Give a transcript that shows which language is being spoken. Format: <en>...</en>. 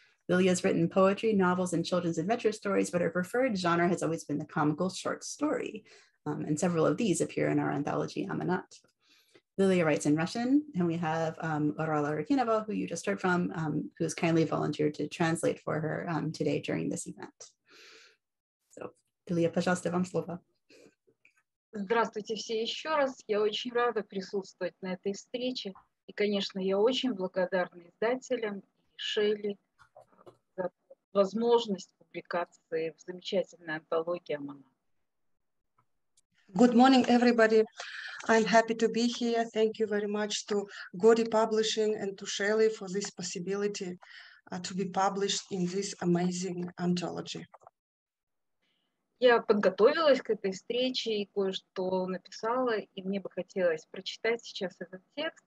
<en>Lilya has written poetry, novels, and children's adventure stories, but her preferred genre has always been the comical short story. And several of these appear in our anthology, Amanat. Lilya writes in Russian, and we have Arukenova, who you just heard from, who's kindly volunteered to translate for her today during this event.</en> <ru>Лилия, пожалуйста, вам слово. Здравствуйте все еще раз. Я очень рада присутствовать на этой встрече. И, конечно, я очень благодарна издателям Шелли за возможность публикации в замечательной антологии «Амана».</ru> <en>Good morning, everybody. I'm happy to be here. Thank you very much to Gaudy Publishing and to Shelley for this possibility to be published in this amazing anthology.</en> <ru>Я подготовилась к этой встрече и кое-что написала, и мне бы хотелось прочитать сейчас этот текст.</ru>